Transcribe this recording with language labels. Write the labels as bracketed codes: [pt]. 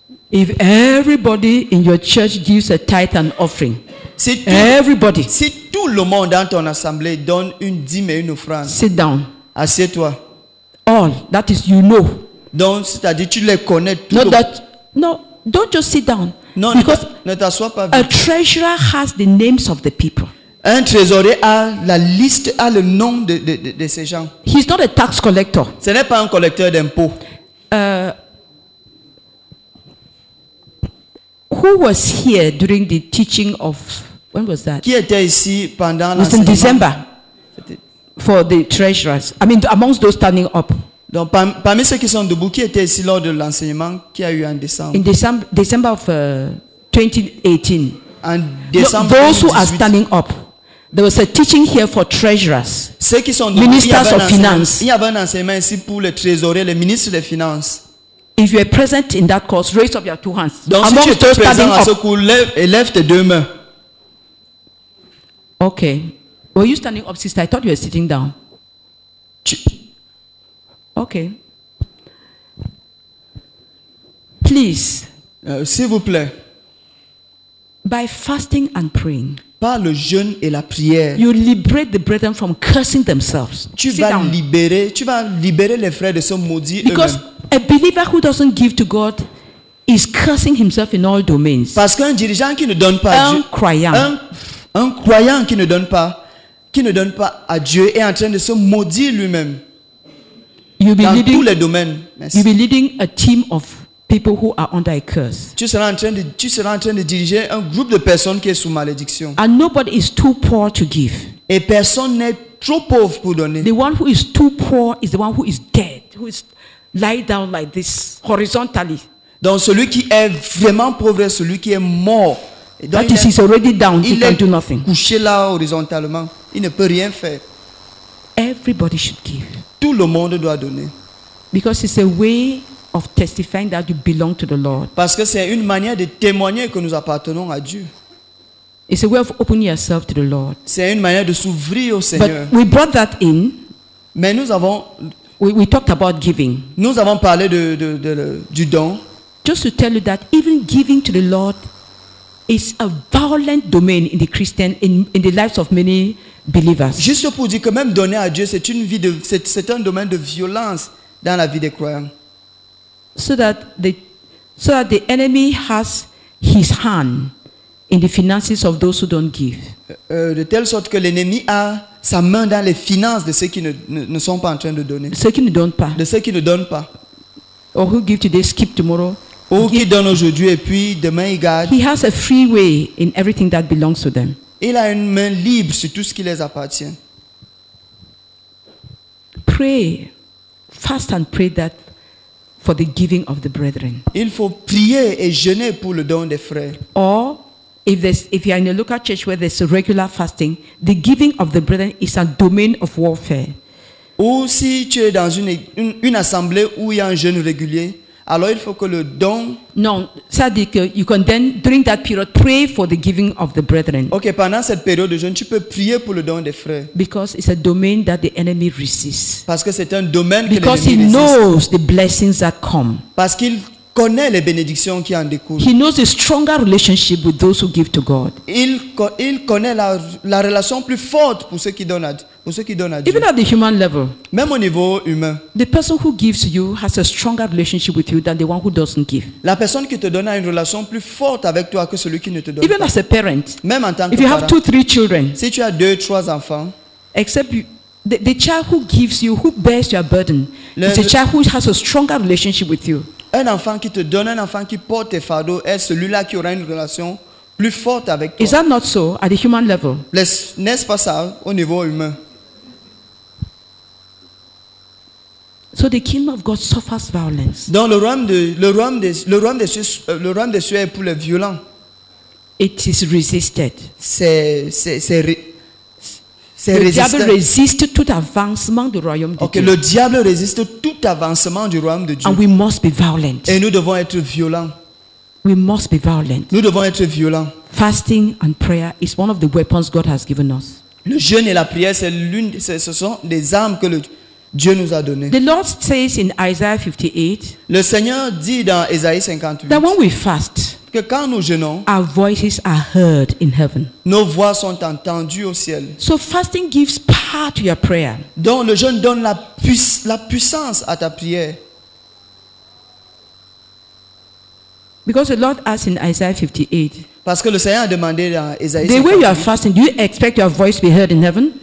[en] If everybody in your church gives a tithe and offering. [fr] Si tout, [en] everybody. [fr] Si tout le monde dans ton assemblée donne une dîme et une offrande. [en] Sit down. [fr] Assieds-toi. [en] All that is you know. [fr] Donc c'est-à-dire tu les connais tous. [en] Not that. No, don't just sit down. [fr] Non, [en] because [fr] ne t'assois pas. [en] A treasurer has the names of the people. [fr] Un trésorier a la liste, a le nom de ces gens. [en] He's not a tax collector. [fr] Ce n'est pas un collecteur d'impôts. [en] Who was here during the teaching of when was that? [fr] Qui était ici pendant la semaine? [en] It was in December for the treasurers. I mean, amongst those standing up. [fr] Donc parmi ceux qui sont debout, qui était ici lors de l'enseignement qui a eu en décembre? [en] In December of 2018. And December. Those who are standing up. There was a teaching here for treasurers. [fr] Ceux qui sont [en] ministers of finance. [fr] Il y avait un enseignement ici pour les trésoriers, les ministres des finances. [en] If you are present in that course, raise up your two hands. [fr] Donc si tu es présent à ce cours, lève tes deux mains. [en] Okay. Were you standing up, sister? I thought you were sitting down. Okay. Please. [fr] S'il vous plaît. [en] By fasting and praying. [fr] Par le jeûne et la prière. [en] You liberate the brethren from cursing themselves. [fr] Tu vas libérer les frères de se maudire eux-mêmes. [en] Because a believer who doesn't give to God is cursing himself in all domains. [fr] Parce qu'un dirigeant qui ne donne pas. Un croyant qui ne donne pas à Dieu est en train de se maudire lui-même. Dans tous les domaines. [en] You'll be leading a team of people who are under a curse. [fr] Tu seras en train de diriger un groupe de personnes qui est sous malédiction. [en] And nobody is too poor to give. [fr] Et personne n'est trop pauvre pour donner. [en] The one who is too poor is the one who is dead, who is lie down like this horizontally. [fr] Donc celui qui est vraiment pauvre est celui qui est mort. Donc, [en] that is already down. [fr] Il [en] can do nothing. [fr] Couché là horizontalement, il ne peut rien faire. [en] Everybody should give. [fr] Tout le monde doit donner. [en] Because it's a way of testifying that you belong to the Lord. [fr] Parce que c'est une manière de témoigner que nous appartenons à Dieu. [en] It's a way of opening yourself to the Lord. [fr] C'est une manière de s'ouvrir au Seigneur. [en] But we brought that in. [fr] Mais nous avons. [en] We talked about giving. [fr] Nous avons parlé du don. [en] Just to tell you that even giving to the Lord is a violent domain in the Christian in the lives of many believers. [fr] Juste pour dire que même donner à Dieu c'est un domaine de violence dans la vie des croyants. [en] So that the enemy has his hand in the finances of those who don't give. [fr] De telle sorte que l'ennemi a sa main dans les finances de ceux qui ne sont pas en train de donner. Ceux qui ne donnent pas. De ceux qui ne donnent pas. [en] Or who give today, skip tomorrow. [fr] Ou qui donne aujourd'hui et puis demain il garde. [en] He has a free way in everything that belongs to them. [fr] Il a une main libre sur tout ce qui les appartient. [en] Pray, fast and pray that. For the giving of the brethren. [fr] Il faut prier et jeûner pour le don des frères. [en] Or, if you are in a local church where there's a regular fasting, the giving of the brethren is a domain of warfare. [fr] Ou si tu es dans une assemblée où il y a un jeûne régulier, alors il faut que le don. Non, ça dit que [en] you can then during that period pray for the giving of the brethren. [fr] Ok, pendant cette période de jeûne, tu peux prier pour le don des frères. [en] Because it's a domain that the enemy resists. [fr] Parce que c'est un domaine [en] Because [fr] que l'ennemi résiste. [en] Because he knows the blessings that come. [fr] Parce qu'il connaît les bénédictions qui en découlent. [en] He knows the stronger relationship with those who give to God. [fr] Il connaît la relation plus forte pour ceux qui donnent. [en] Even at the human level, [fr] même au niveau humain, [en] the person who gives you has a stronger relationship with you than the one who doesn't give. [fr] La personne qui te donne a une relation plus forte avec toi que celui qui ne te donne. [en] Even [fr] pas. [en] As a parent, [fr] même en tant que parent, [en] if you have two, three children, [fr] si tu as deux, trois enfants, [en] except you, the child who gives you, who bears your burden, is a child who has a stronger relationship with you. [fr] Un enfant qui te donne, un enfant qui porte tes fardeaux, est celui-là qui aura une relation plus forte avec toi. [en] Is that not so at the human level? [fr] N'est-ce pas ça au niveau humain? [en] So the kingdom of God suffers violence. [fr] Dans le royaume des cieux est pour les violents. [en] It is resisted. [fr] C'est résisté. Diable résiste tout avancement du royaume de Dieu. Okay, le diable résiste tout avancement du royaume de Dieu. [en] And we must be violent. [fr] Et nous devons être violents. [en] We must be violent. [fr] Nous devons être violents. [en] Fasting and prayer is one of the weapons God has given us. [fr] Le jeûne et la prière ce sont des armes que Dieu nous a donné. [en] The Lord says in Isaiah 58. [fr] Le Seigneur dit dans Ésaïe 58. [en] That when we fast, [fr] que quand nous jeûnons, [en] our voices are heard in heaven. [fr] Nos voix sont entendues au ciel. [en] So fasting gives power to your prayer. [fr] Donc le jeûne donne la puissance à ta prière. [en] Because the Lord asks in Isaiah 58. [fr] Parce que le Seigneur a demandé dans Ésaïe. [en] The way you are fasting, do you expect your voice to be heard in heaven?